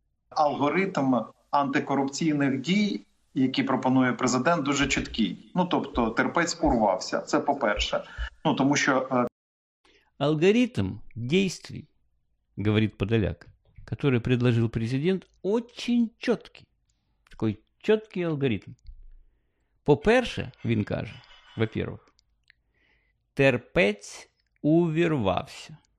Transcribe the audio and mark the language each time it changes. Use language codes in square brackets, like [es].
[uk] Алгоритм антикорупційних дій, які пропонує президент, дуже чіткий. Ну, тобто, терпець урвався. Це по-перше. Ну, тому що... [ru] Алгоритм действий, говорить Подоляк, который предложил президент, очень [uk] чіткий. Такий чіткий алгоритм. По-перше, він каже, [ru] во-первых, [uk] терпець увірвався.